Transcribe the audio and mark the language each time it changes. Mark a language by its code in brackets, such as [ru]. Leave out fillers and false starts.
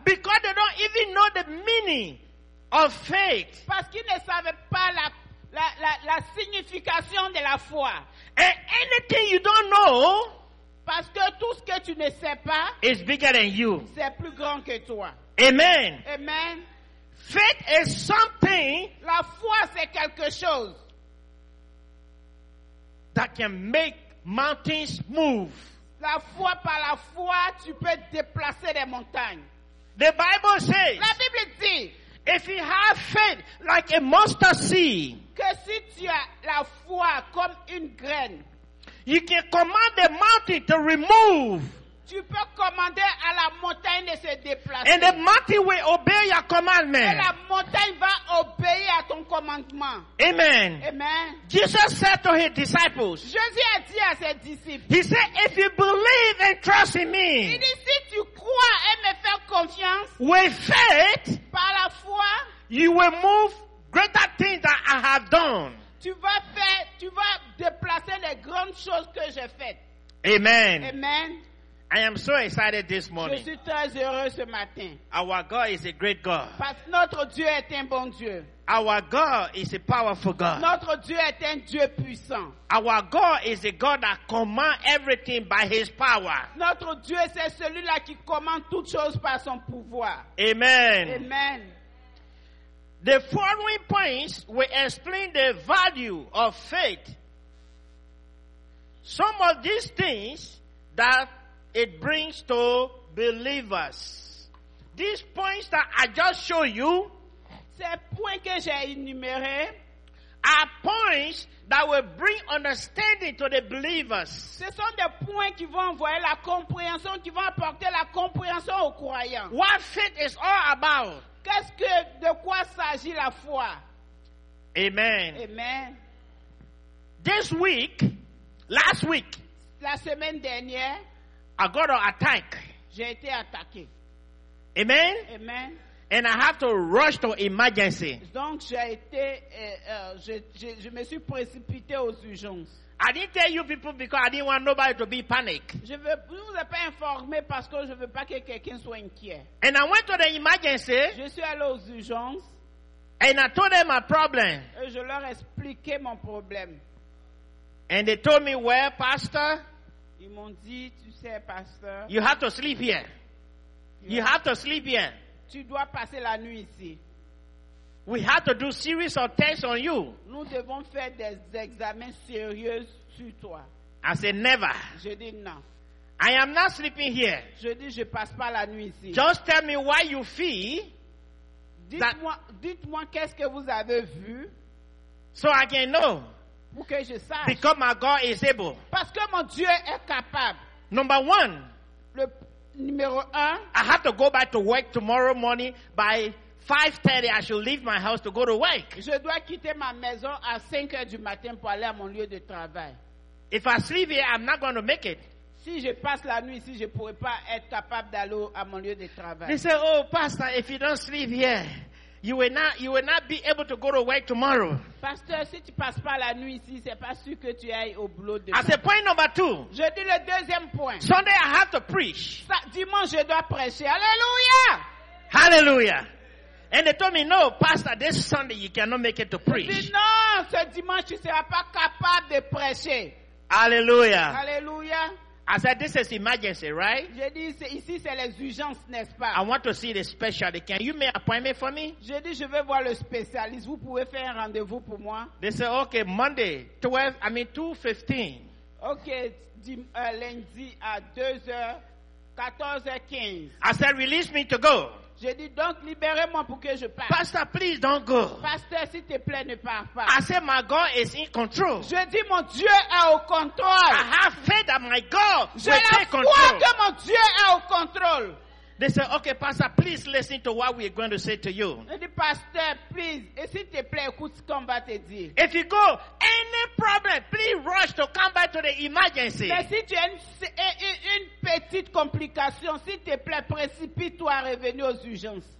[en] Because they don't even know the meaning of faith. [fr] Parce qu'ils ne savent pas la signification de la foi. [en] And anything you don't know, [fr] parce que tout ce que tu ne sais pas, [en] is bigger than you. [fr] C'est plus grand que toi. [en] Amen. [fr] Amen. [en] Faith is something. [fr] La foi c'est quelque chose [en] that can make mountains move. [fr] La foi, par la foi, tu peux déplacer des montagnes. [en] The Bible says. [fr] La Bible dit. [en] If you have faith like a mustard seed. [fr] Que si tu as la foi comme une graine. [en] You can command the mountain to remove. [fr] Tu peux commander à la montagne de se déplacer. [en] And the mountain will obey your commandment. [fr] Et la montagne va obéir à ton commandement. [en] Amen. [fr] Amen. [en] Jesus said to his disciples. [fr] Jésus a dit à ses disciples. [en] He said, if you believe and trust in me. [fr] Il dit, si tu crois et me fais confiance. [en] With faith. [fr] Par la foi. [en] You will move greater things that I have done. [fr] Tu vas déplacer les grandes choses que j'ai faites. [en] Amen. [fr] Amen. [en] I am so excited this morning. [fr] Je suis très heureux ce matin. [en] Our God is a great God. [fr] Parce que notre Dieu est un bon Dieu. [en] Our God is a powerful God. [fr] Notre Dieu est un Dieu puissant. [en] Our God is a God that commands everything by His power. [fr] Notre Dieu c'est celui-là qui commande toutes choses par son pouvoir. [en] Amen. [fr] Amen. [en] The following points will explain the value of faith. Some of these things that it brings to believers. These points that I just showed you, [fr] ces points que j'ai énumérés, [en] are points that will bring understanding to the believers. [fr] Ce sont des points qui vont envoyer la compréhension, qui vont apporter la compréhension aux croyants. [en] What faith is all about? [fr] Qu'est-ce que, de quoi s'agit la foi? [en] Amen. [fr] Amen. [en] This week, last week, [fr] la semaine dernière, [en] I got an attack. [fr] J'ai été attaqué. [en] Amen. [fr] Amen. [en] And I have to rush to emergency. [fr] Donc j'ai été, je me suis précipité aux urgences. [en] I didn't tell you people because I didn't want nobody to be panicked. [fr] Je vous ai pas informé parce que je veux pas que quelqu'un soit inquiet. [en] And I went to the emergency. [fr] Je suis allé aux urgences. [en] And I told them my problem. [fr] Et je leur expliquais mon problème. [en] And they told me, "Well, pastor." [fr] Ils m'ont dit, tu sais, pasteur. [en] You have to sleep here. You have to sleep here. [fr] Tu dois passer la nuit ici. [en] We have to do series of tests on you. [fr] Nous devons faire des examens sérieux sur toi. [en] I said never. [fr] Je dis non. [en] I am not sleeping here. [fr] Je dis, je passe pas la nuit ici. [en] Just tell me why you feel. [fr] Dites-moi qu'est-ce que vous avez vu. [en] So I can know. [fr] Pour que je sache. [en] Because my God is able. [fr] Parce que mon Dieu est capable. [en] Number one. [fr] Le numéro un. [en] I have to go back to work tomorrow morning by 5:30. I should leave my house to go to work. [fr] Je dois quitter ma maison à 5 heures du matin pour aller à mon lieu de travail. [en] If I sleep here, I'm not going to make it. [fr] Si je passe la nuit ici, je pourrais pas être capable d'aller à mon lieu de travail. [en] They say, oh, pastor, if you don't sleep here. You will not be able to go to work tomorrow. [fr] Pasteur, si tu passes pas la nuit ici, c'est pas sûr que tu ailles au boulot demain. [en] As a point number two. [fr] Je dis le deuxième point. [en] Sunday I have to preach. [fr] Dimanche je dois prêcher. Alléluia. [en] Hallelujah. And they told me, no, pastor, this Sunday you cannot make it to preach. [fr] Je dis non, ce dimanche tu seras pas capable de prêcher. [en] Hallelujah. [fr] Hallelujah. [en] I said, this is emergency, right? [fr] Je dis, ici c'est les urgences, n'est-ce pas? [en] I want to see the specialist. Can you make an appointment for me? [fr] Je dis, je vais voir le spécialiste. Vous pouvez faire un rendez-vous pour moi? [en] They said, okay, Monday, 2:15. [fr] Okay, lundi à 14:15. [en] I said, release me to go. [fr] Je dis, donc libérez-moi pour que je parte. [en] Pastor, please don't go. [fr] Pasteur, s'il te plaît, ne pars pas. [en] I said, my God is in control. [fr] Je dis, mon Dieu est au contrôle. [en] I have faith that my God [fr] je [en] will take control. [fr] Je crois que mon Dieu est au contrôle. [en] They said, okay, Pastor, please listen to what we are going to say to you. [fr] Je dis, Pasteur, [en] please, [fr] s'il te plaît, écoute ce qu'on va te dire. [en] If you go, any problem, please rush to come back to the emergency. [fr] Mais si tu as une petite complication, s'il te plaît, précipite-toi à revenir aux urgences.